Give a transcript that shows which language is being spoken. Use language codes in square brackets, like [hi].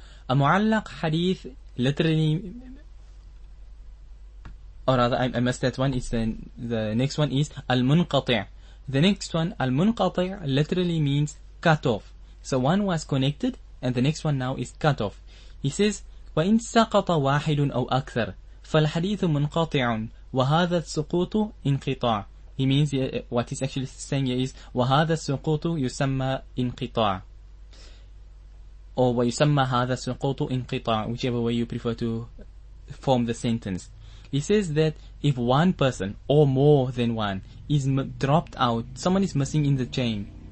[en] A Mu'allaq hadith literally, or rather, I missed that one, it's the next one is Al-Munqati'. The next one, Al-Munqati', literally means cut off. So one was connected, and the next one now is cut off. He says, [ar] وَإِن سَقَطَ وَاحِدٌ أَوْ أَكْثَرٌ فَالْحَدِيثُ مُنْقَطِعٌ وَهَذَا السُّقُوطُ انْقِطَاعٌ. [en] He means, what he's actually saying here is, [ar] وَهَذَا السُّقُوطُ يُسَمَّى انْقِطَاعٌ. [en] Or [ar] وَيُسَمَّى هَذَا السُّقُوطُ انْقِطَاعٌ, [en] whichever way you prefer to form the sentence. He says that if one person, or more than one, is dropped out, someone is missing in the chain.